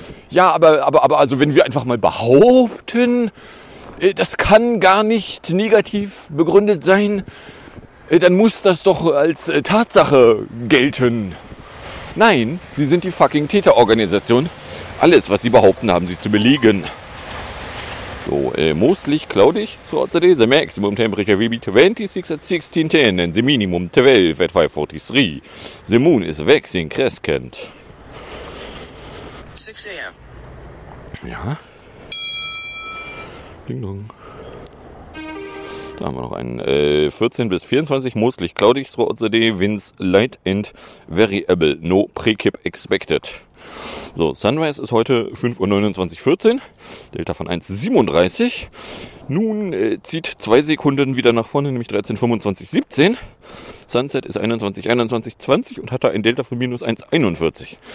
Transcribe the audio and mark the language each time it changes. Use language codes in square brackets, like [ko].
[de] Ja, aber also wenn wir einfach mal behaupten, das kann gar nicht negativ begründet sein, dann muss das doch als Tatsache gelten. Nein, sie sind die fucking Täterorganisation. Alles, was sie behaupten, haben sie zu belegen. [en] So, mostly cloudy throughout the day. The maximum temperature will be 26 at 16:10 and the minimum 12 at 5:43. The moon is waxing crescent. 6 a.m. [de] Ja. Ding dong. Da haben wir noch einen. [en] 14 bis 24, mostly cloudy throughout the day. Winds light and variable. No precip expected. [de] So, Sunrise ist heute 5:29:14, Delta von 1:37. Nun zieht 2 Sekunden wieder nach vorne, nämlich 13:25:17. Sunset ist 21:21:20 und hat da ein Delta von -1:41.